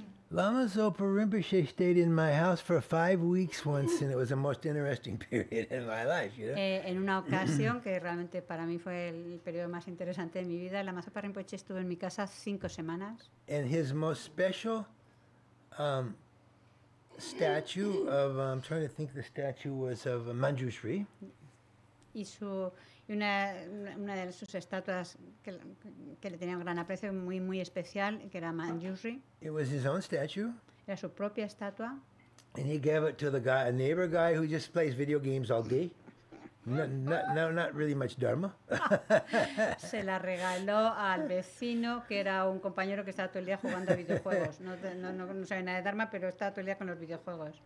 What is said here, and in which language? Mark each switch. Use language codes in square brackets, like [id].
[en] Lama Zopa Rinpoche stayed in my house for 5 weeks once, and it was the most interesting period in my life, you know? [es] En una ocasión, que realmente para mí fue el periodo más interesante de mi vida, Lama Zopa Rinpoche estuvo en mi casa 5 semanas. [en] And his most special... statue of I'm trying to think the statue was of Manjushri. [es] Y su una de sus estatuas que le tenía un gran aprecio muy muy especial que era Manjushri. [en] It was his own statue. [es] Era su propia estatua. [en] And he gave it to the guy, a neighbor guy who just plays video games all day. Not really much dharma. [es] Se la regaló al vecino que era un compañero que estaba todo el día jugando a videojuegos. No sabe nada de dharma, pero estaba todo el día con los videojuegos.